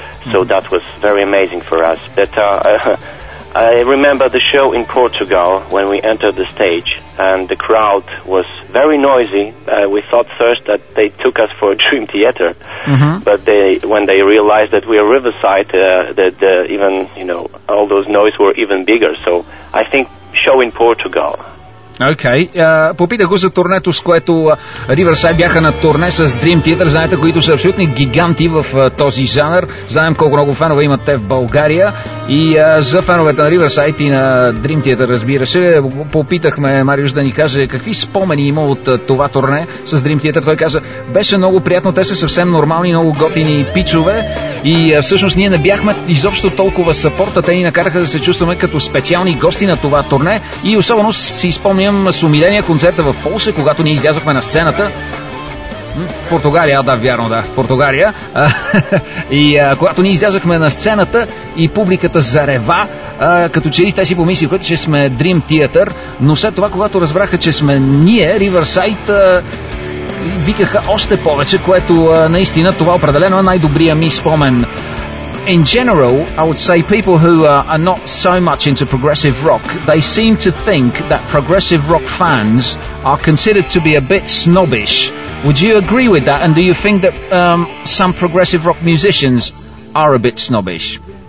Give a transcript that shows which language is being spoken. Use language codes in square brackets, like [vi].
[en] So that was very amazing for us. But I remember the show in Portugal when we entered the stage, and the crowd was very noisy. We thought first that they took us for a Dream Theater, but when they realized that we are Riverside, even, you know, all those noise were even bigger. So I think show in Portugal. [bg] Окей. Попитах го за турнето, с което Riverside бяха на турне с Dream Theater. Знаете, които са абсолютни гиганти в този жанр. Знаем колко много фенове имат те в България. И за феновете на Riverside и на Dream Theater, разбира се, попитахме Мариус да ни каже какви спомени има от това турне с Dream Theater. Той каза: беше много приятно, те са съвсем нормални, много готини пичове. И всъщност ние не бяхме изобщо толкова съпорта. Те ни накараха да се чувстваме като специални гости на това турне. И особено си спомням с умиление концерта в Полша, когато ние излязохме на сцената в Португалия, в Португалия, и когато ние излязохме на сцената и публиката зарева, като че ли те си помислиха, че сме Dream Theater, но след това, когато разбраха, че сме ние, Riverside, викаха още повече, което наистина това определено е най-добрия ми спомен. [en] In general, I would say people who are not so much into progressive rock, they seem to think that progressive rock fans are considered to be a bit snobbish. Would you agree with that? And do you think that some progressive rock musicians are a bit snobbish?